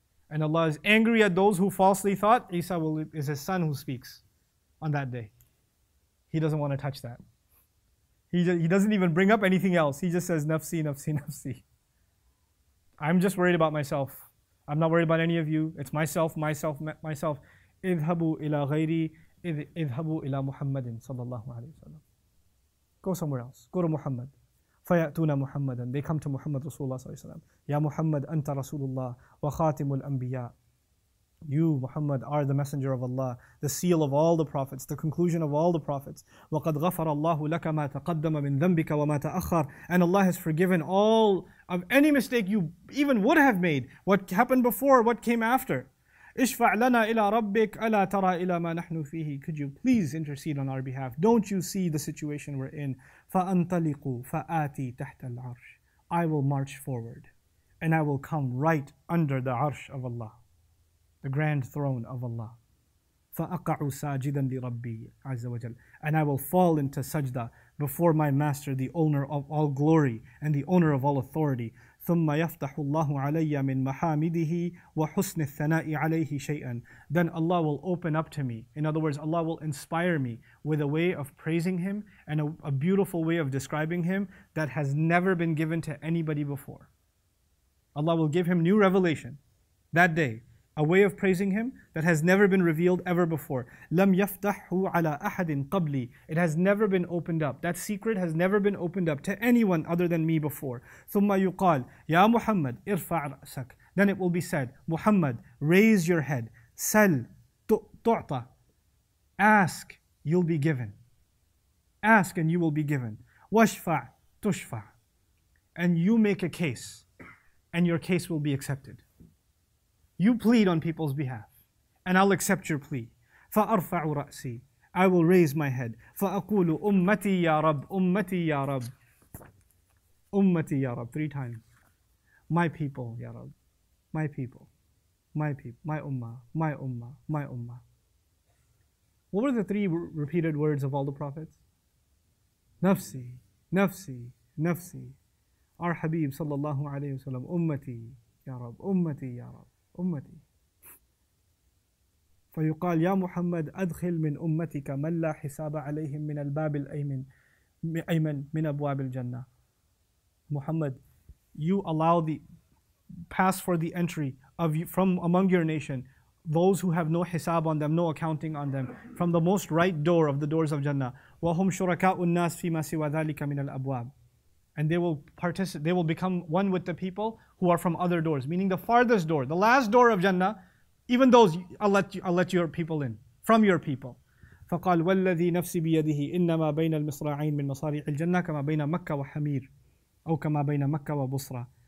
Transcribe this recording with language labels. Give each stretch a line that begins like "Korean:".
English: And Allah is angry at those who falsely thought Isa is his son who speaks on that day. He doesn't want to touch that. He doesn't even bring up anything else. He just says, nafsi, nafsi, nafsi. I'm just worried about myself. I'm not worried about any of you. It's myself, myself, myself.
Arabic: اذهبوا إلى غيري اذهبوا إلى محمد صلى الله عليه وسلم.
English: Go somewhere else. Go to Muhammad.
Arabic: فَيَأْتُونَ مُحَمَّدًا.
English: They come to Muhammad Rasulullah
Arabic: صلى الله عليه وسلم. يَا مُحَمَّدْ أَنْتَ رَسُولُ اللَّهِ وَخَاتِمُ الْأَنْبِيَاءِ.
English: You, Muhammad, are the messenger of Allah, the seal of all the prophets, the conclusion of all the prophets.
Arabic: وَقَدْ غَفَرَ اللَّهُ لَكَ مَا تَقَدَّمَ مِنْ ذَنْبِكَ وَمَا تَأَخَّرَ.
English: And Allah has forgiven all of any mistake you even would have made. What happened before, what came after.
Arabic: اشفع لنا إلى ربك ألا ترى إلى ما نحن فيه.
English: Could you please intercede on our behalf? Don't you see the situation we're in?
Arabic: فأنطلقوا فآتي تحت العرش.
English: I will march forward and I will come right under the عرش of Allah, the grand throne of Allah.
Arabic: فأقع ساجدا لربي عز وجل.
English: And I will fall into sajda before my master, the owner of all glory and the owner of all authority.
Arabic: ثم يفتح الله علي من محامده وحسن الثناء عليه شيئا.
English: Then Allah will open up to me. In other words, Allah will inspire me with a way of praising Him and a beautiful way of describing Him that has never been given to anybody before. Allah will give him new revelation that day. A way of praising Him that has never been revealed ever before.
Arabic: لم يفتحه على أحد قبلي.
English: It has never been opened up. That secret has never been opened up to anyone other than me before.
Arabic: ثم يقال يا محمد ارفع رأسك.
English: Then it will be said, Muhammad, raise your head.
Arabic: سل تعطى.
English: Ask, you'll be given. Ask and you will be given.
Arabic: واشفع تشفع.
English: And you make a case, and your case will be accepted. You plead on people's behalf, and I'll accept your plea.
Arabic: فَأَرْفَعُ رَأْسِي.
English: I will raise my head.
Arabic: فَأَقُولُ أُمَّتِي يَا رَبْ. أُمَّتِي يَا رَبْ. أُمَّتِي يَا رَبْ.
English: Three times. My people,
Arabic: يَا رَبْ.
English: My people. My people. My ummah. My ummah. My ummah. What were the three repeated words of all the prophets?
Arabic: نَفْسِي. نَفْسِي. نَفْسِي.
English: Our Habib, sallallahu alayhi wa sallam.
Arabic: أُمَّتِي يَا رَبْ. أُمَّتِي يَا رَبْ. أمتي. فيقال يا محمد أدخل من أمتك من لا حساب عليهم من الباب الأيمن أيمن من أبواب الجنة.
English: Muhammad, you allow the pass for the entry of you from among your nation, those who have no hisab on them, no accounting on them, from the most right door of the doors of Jannah.
Arabic: وهم شركاء الناس فيما سوى ذلك من الأبواب.
English: And they will participate, they will become one with the people who are from other doors, meaning the farthest door, the last door of Jannah. Even those, I'll let your people in, from your people.
Arabic: فقال والذي نفسي بيده إنما بين المصراعين من مصارع الجنة كما بين مكة وحمير أو كما بين مكة وبصرة.